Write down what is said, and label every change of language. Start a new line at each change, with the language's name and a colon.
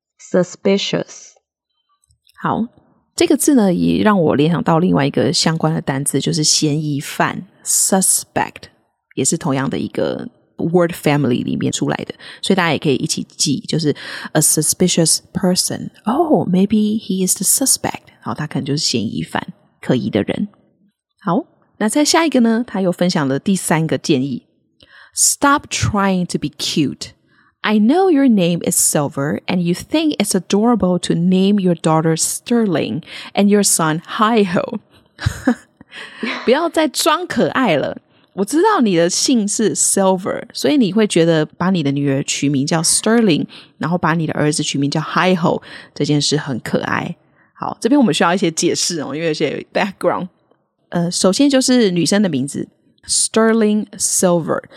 English: suspicious。
Chinese: 好，这个字呢也让我联想到另外一个相关的单字，就是嫌疑犯 suspect， 也是同样的一个 word family 里面出来的，所以大家也可以一起记，就是
English: a suspicious person。 Oh, maybe he is the suspect。
Chinese: 好，他可能就是嫌疑犯，可疑的人。好，那在下一个呢，他又分享了第三个建议。
English: Stop trying to be cute. I know your name is Silver, and you think it's adorable to name your daughter Sterling and your son Hi-Ho.
Chinese: 不要再装可爱了，我知道你的姓是 Silver， 所以你会觉得把你的女儿取名叫 Sterling， 然后把你的儿子取名叫 Hi-Ho 这件事很可爱。好，这边我们需要一些解释哦，因为有些 background。首先就是女生的名字 Sterling Silver。